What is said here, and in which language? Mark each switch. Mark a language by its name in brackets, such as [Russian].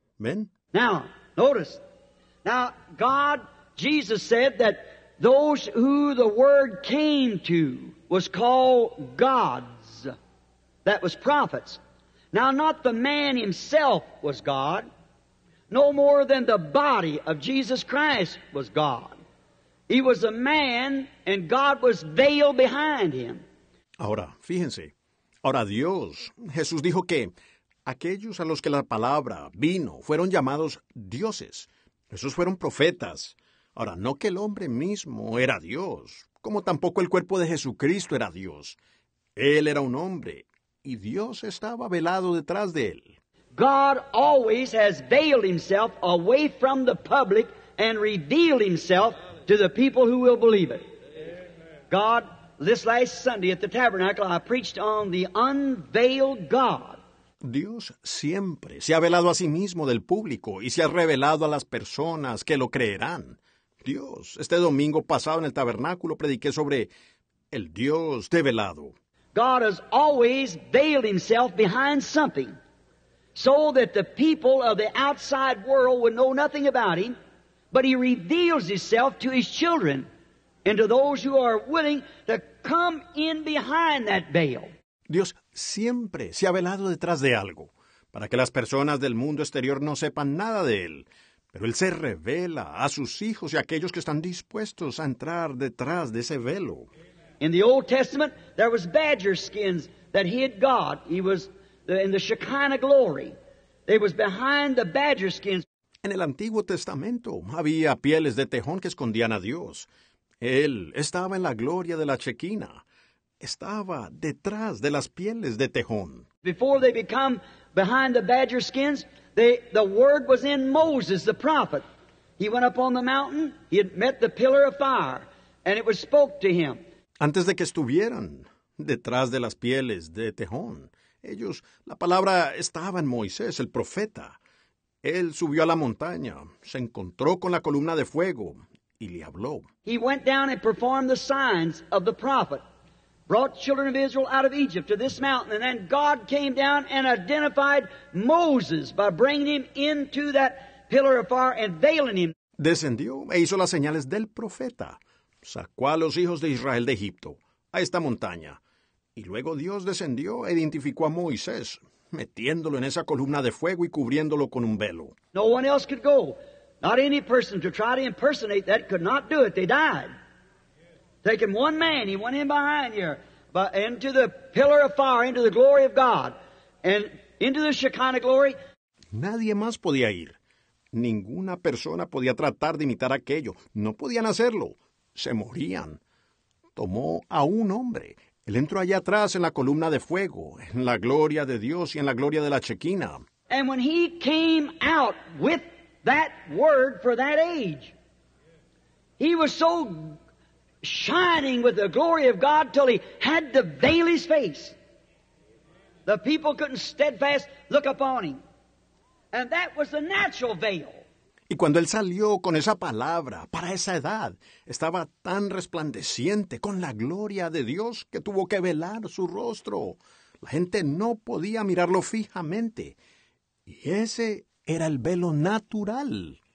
[Spanish] ¿Ven? [English] Now, notice. Now, God, Jesus said that those who the Word came to was called gods. That was prophets. Now, not the man himself was God, no more than the body of Jesus Christ was God. He was a man, and God was veiled behind him. [Spanish] Ahora, fíjense. Ahora Dios, Jesús dijo que aquellos a los que la palabra vino fueron llamados dioses. Esos fueron profetas. Ahora, no que el hombre mismo era Dios, como tampoco el cuerpo de Jesucristo era Dios. Él era un hombre y Dios estaba velado detrás de él. [English] God always has veiled himself away from the public and revealed himself to the people who will believe it. God, this last Sunday at the tabernacle, I preached on the unveiled God. [Spanish] Dios siempre se ha velado a sí mismo del público y se ha revelado a las personas que lo creerán. Dios, este domingo pasado en el tabernáculo, prediqué sobre el Dios develado. [English] God has always veiled himself behind something so that the people of the outside world would know nothing about him, but he reveals himself to his children. And to those who are willing to come in behind that veil. [Spanish] Dios siempre se ha velado detrás de algo, para que las personas del mundo exterior no sepan nada de él. Pero él se revela a sus hijos y a aquellos que están dispuestos a entrar detrás de ese velo. [English] In the Old Testament, there was badger skins that hid God. He was in the Shekinah glory. They was behind the badger skins. [Spanish] En el Antiguo Testamento había pieles de tejón que escondían a Dios. Él estaba en la gloria de la Chequina. Estaba detrás de las pieles de tejón. [English] Before they become behind the badger skins, the Word was in Moses, the prophet. He went up on the mountain, he had met the pillar of fire, and it was spoke to him. [Spanish] Antes de que estuvieran detrás de las pieles de tejón, ellos, la palabra estaba en Moisés, el profeta. Él subió a la montaña, se encontró con la columna de fuego, y le habló. [English] He went down and performed the signs of the prophet. brought children of Israel out of Egypt to this mountain. And then God came down and identified Moses by bringing him into that pillar of fire and veiling him. [Spanish] Descendió e hizo las señales del profeta. Sacó a los hijos de Israel de Egipto, a esta montaña. Y luego Dios descendió e identificó a Moisés, metiéndolo en esa columna de fuego y cubriéndolo con un velo. [English] No one else could go. Not any person to try to impersonate that could not do it. They died. Taking one man, he went in behind here, but into the pillar of fire, into the glory of God, and into the Shekinah glory. [Spanish] Nadie más podía ir. Ninguna persona podía tratar de imitar aquello. No podían hacerlo. Se morían. Tomó a un hombre. Él entró allá atrás en la columna de fuego, en la gloria de Dios y en la gloria de la Shekinah. [English] And when he came out with that word for that age, he was so shining with the glory of God till he had to veil his face. The people couldn't steadfast look upon him. And that was the natural veil. [Spanish] Y cuando él salió con esa palabra, para esa edad, estaba tan resplandeciente con la gloria de Dios que tuvo que velar su rostro. La gente no podía mirarlo fijamente. Y ese era el velo natural.